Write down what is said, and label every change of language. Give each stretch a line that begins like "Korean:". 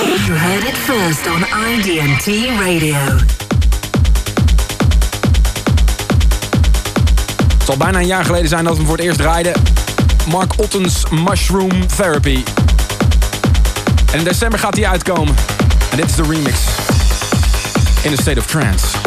English: You heard it first on IDMT Radio.
Dutch: Het zal bijna een jaar geleden zijn dat we voor het eerst draaiden. Mark Otten's Mushroom Therapy. En in december gaat die uitkomen. En dit is de remix. In a State of Trance.